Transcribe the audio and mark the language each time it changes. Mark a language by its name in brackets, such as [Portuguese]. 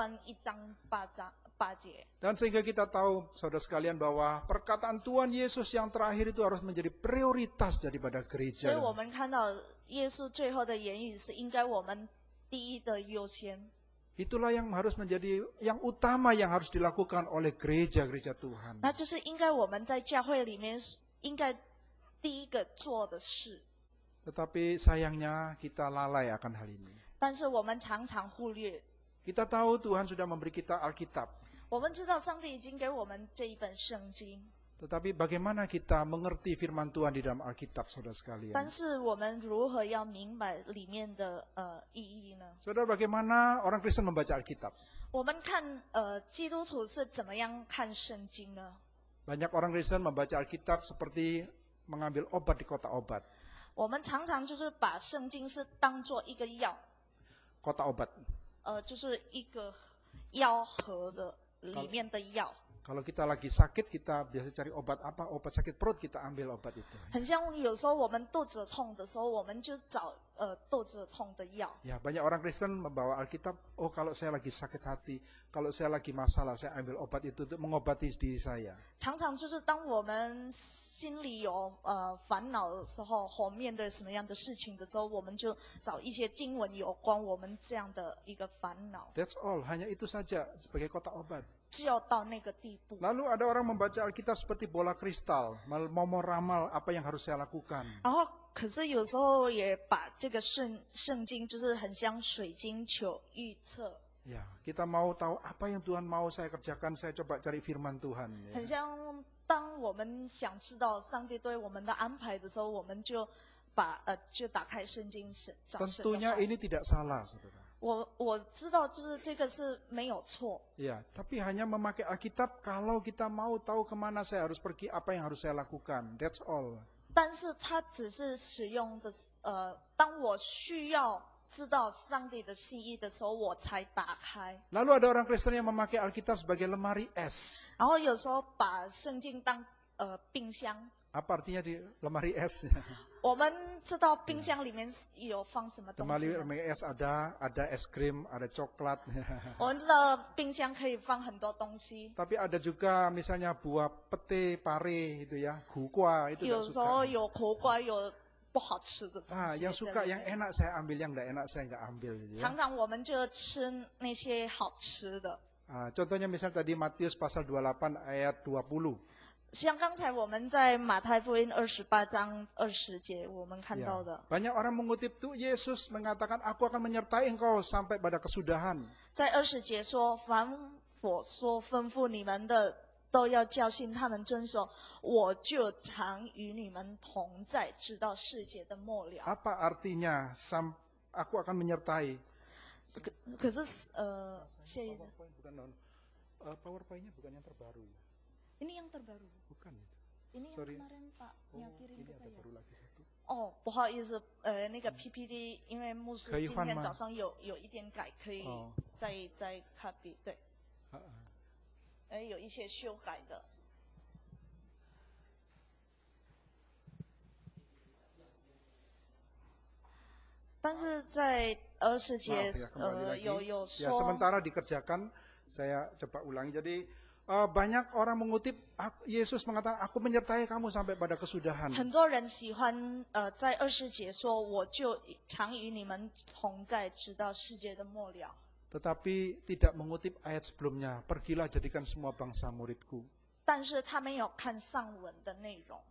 [Indonesian] Dan sehingga kita tahu saudara sekalian bahwa perkataan Tuhan Yesus yang terakhir itu harus menjadi prioritas daripada gereja. Jadi kita lihat Yesus yang terakhir itu harus menjadi prioritas [Chinese] 第一的优先。 [Indonesian] Itulah yang harus menjadi yang utama yang harus dilakukan oleh gereja-gereja Tuhan. [Chinese] 那就是应该我们在教会里面应该第一个做的事。 [Indonesian] Tetapi sayangnya kita lalai akan hal ini. [Chinese] 但是我们常常忽略。 [Indonesian] Kita tahu Tuhan sudah memberi kita Alkitab. [Chinese] 我们知道上帝已经给我们这一本圣经。 [Indonesian] Tetapi bagaimana kita mengerti firman Tuhan di dalam Alkitab, saudara sekalian? [Chinese] 但是我们如何要明白里面的意义呢？ [Indonesian] Saudara, bagaimana orang Kristen membaca Alkitab? [Chinese] 我们看基督徒是怎么样看圣经呢？ [Indonesian] Banyak orang Kristen membaca Alkitab seperti mengambil obat di kota obat. [Chinese] 我们常常就是把圣经是当作一个药。 [Indonesian] Kota obat. [Chinese] 就是一个药盒的里面的药。 [Indonesian] Kalau kita lagi sakit, kita biasa cari obat apa? Obat sakit perut, kita ambil obat itu. [Chinese] 很像有时候我们肚子痛的时候，我们就找肚子痛的药。 [Indonesian] Ya, banyak orang Kristen membawa Alkitab. Oh, kalau saya lagi sakit hati, kalau saya lagi masalah, saya ambil obat itu untuk mengobati diri saya. [Chinese] 常常就是当我们心里有烦恼的时候，或面对什么样的事情的时候，我们就找一些经文有关我们这样的一个烦恼。 [English] That's all, [Indonesian] hanya itu saja sebagai kotak obat. [Chinese] 只有到那个地步。 [Indonesian] Lalu ada orang membaca Alkitab seperti bola kristal, memoramal apa yang harus saya lakukan. [Chinese] 然后，可是有时候也把这个圣经就是很像水晶球预测。 [Indonesian] Ya, kita mau tahu apa yang Tuhan mau saya kerjakan, saya coba cari firman Tuhan. [Chinese] 很像当我们想知道上帝对我们的安排的时候，我们就把就打开圣经找神的话。 [Indonesian] Tentunya ini tidak salah, saudara. [Chinese] 我知道就是这个是没有错。 [Indonesian] Ya, tapi hanya memakai Alkitab kalau kita mau tahu kemana saya harus pergi, apa yang harus saya lakukan. [English] That's all. [Chinese] 但是它只是使用的当我需要知道上帝的心意的时候，我才打开。 [Indonesian] Lalu ada orang Kristen yang memakai Alkitab sebagai lemari es. [Chinese] 然后有时候把圣经当冰箱。 [Indonesian] Apa artinya di lemari es? [Chinese] 我们知道冰箱里面有放什么东西。 [Indonesian] lemari es ada es krim, ada coklat. [Chinese] 我们知道冰箱可以放很多东西。 [Indonesian] Tapi ada juga misalnya buah pete, pare, itu ya, [Chinese] 苦瓜 [Indonesian] itu. [Chinese] 有时候有苦瓜，有不好吃的东西。 [Indonesian] yang suka yang enak saya ambil, yang tidak enak saya tidak ambil. [Chinese] 常常我们就吃那些好吃的。 [Indonesian] Contohnya misalnya tadi Matius pasal 28 ayat 20. [Chinese] 像刚才我们在马太福音28:20我们看到的。 [English] Yeah. [Indonesian] Banyak orang mengutip tu Yesus mengatakan aku akan menyertai engkau sampai pada kesudahan. [Chinese] 在二十节说凡我所吩咐你们的都要教训他们遵守，我就常与你们同在，直到世界的末了。 [Indonesian] Apa artinya? Sam, aku akan menyertai. [Chinese] 可是下一张。 [Indonesian] Bukan, PowerPoint-nya bukan yang terbaru. Ini yang terbaru. Bukan itu. Ini yang kemarin Pak yang kirim ke saya. Ini ada baru lagi satu. [Chinese] 哦，不好意思，那个 PPT， 因为牧师今天早上有一点改，可以再 copy， 对，有一些修改的。但是在二十节，有说。 [Indonesian] Ya, sementara dikerjakan， saya coba ulangi， jadi。 Banyak orang mengutip Yesus mengatakan aku menyertai kamu sampai pada kesudahan. [Chinese] 很多人喜欢在二十节说我就常与你们同在直到世界的末了。 [Indonesian] Tetapi tidak mengutip ayat sebelumnya, pergilah jadikan semua bangsa muridku. [Chinese] 但是他没有看上文的内容。